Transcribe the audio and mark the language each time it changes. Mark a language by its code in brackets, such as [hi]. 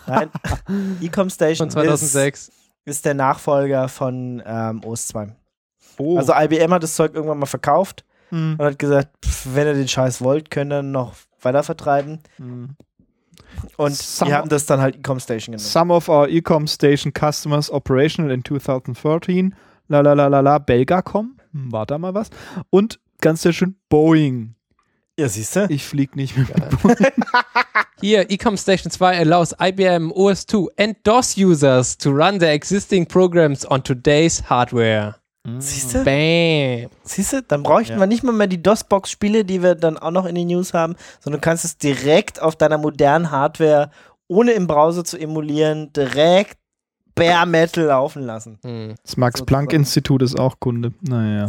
[de] Nein. Ecom Station von 2006. Ist der Nachfolger von OS 2. Oh. Also IBM hat das Zeug irgendwann mal verkauft. Und hat gesagt, wenn ihr den Scheiß wollt, könnt ihr noch weiter vertreiben. Und wir haben das dann halt Ecom Station genannt. [en] Some of our Ecom Station customers operational in 2013. [de] Lalalala, Belgacom. War da mal was. Und ganz sehr schön Boeing. Ja, siehst du? Ich flieg nicht mit Boeing. [en] Hier, Ecom Station 2 allows IBM OS 2 and DOS users to run their existing programs on today's hardware. [de] Siehst du? Bam. Siehst du, dann bräuchten wir nicht mal die DOS-Box-Spiele, die wir dann auch noch in den News haben, sondern du kannst es direkt auf deiner modernen Hardware, ohne im Browser zu emulieren, direkt Bare Metal laufen lassen. Das Max-Planck-Institut ist auch Kunde. Naja.